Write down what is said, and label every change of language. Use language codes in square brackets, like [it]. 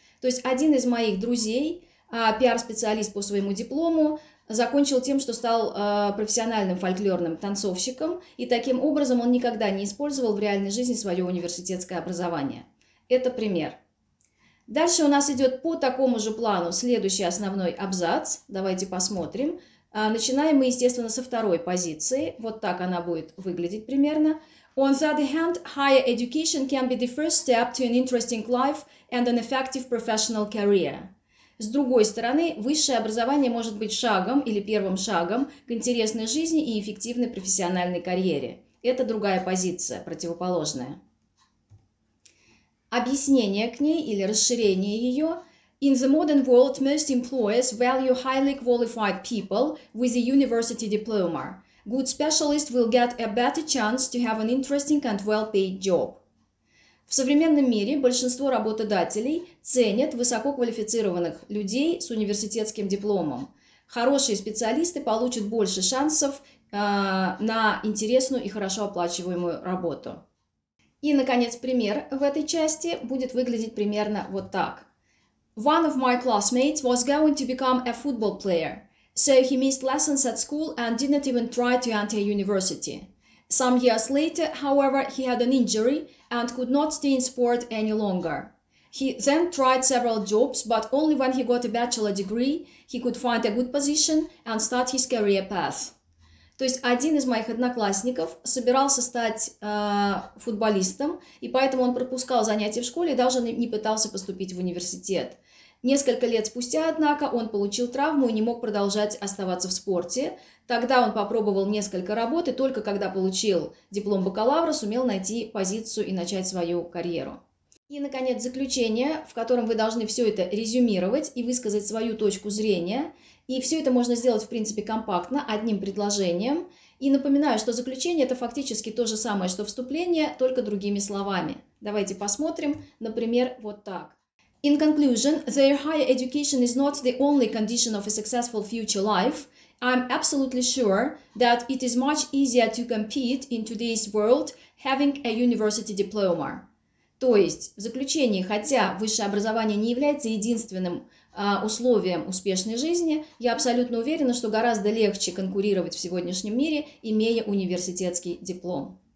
[ru] То есть один из моих друзей, PR-специалист по своему диплому, закончил тем, что стал профессиональным фольклорным танцовщиком, и таким образом он никогда не использовал в реальной жизни свое университетское образование. Это пример. Дальше у нас идет по такому же плану следующий основной абзац. Давайте посмотрим. Начинаем мы, естественно, со второй позиции. Вот так она будет выглядеть примерно. [en] On the other hand, higher education can be the first step to an interesting life and an effective professional career. [ru] С другой стороны, высшее образование может быть шагом или первым шагом к интересной жизни и эффективной профессиональной карьере. Это другая позиция, противоположная. Объяснение к ней или расширение ее. [en] In the modern world, most employers value highly qualified people with a university diploma. Good specialists will get a better chance to have an interesting and well-paid job. [ru] В современном мире большинство работодателей ценят высококвалифицированных людей с университетским дипломом. Хорошие специалисты получат больше шансов на интересную и хорошо оплачиваемую работу. И, наконец, пример в этой части будет выглядеть примерно вот так. [en] One of my classmates was going to become a football player, so he missed lessons at school and didn't even try to enter university. Some years later, however, he had an injury and could not stay in sport any longer. He then tried several jobs, but only when he got a bachelor degree, he could find a good position and start his career path. [ru] То есть один из моих одноклассников собирался стать футболистом, и поэтому он пропускал занятия в школе и даже не пытался поступить в университет. Несколько лет спустя, однако, он получил травму и не мог продолжать оставаться в спорте. Тогда он попробовал несколько работ, и только когда получил диплом бакалавра, сумел найти позицию и начать свою карьеру. И, наконец, заключение, в котором вы должны все это резюмировать и высказать свою точку зрения. И все это можно сделать, в принципе, компактно, одним предложением. И напоминаю, что заключение – это фактически то же самое, что вступление, только другими словами. Давайте посмотрим, например, вот так. [en] In conclusion, their higher education is not the only condition of a successful future life. I'm absolutely sure that it is much easier to compete in today's world having a university diploma. [ru] То есть, в заключении, хотя высшее образование не является единственным условием успешной жизни, я абсолютно уверена, что гораздо легче конкурировать в сегодняшнем мире, имея университетский диплом.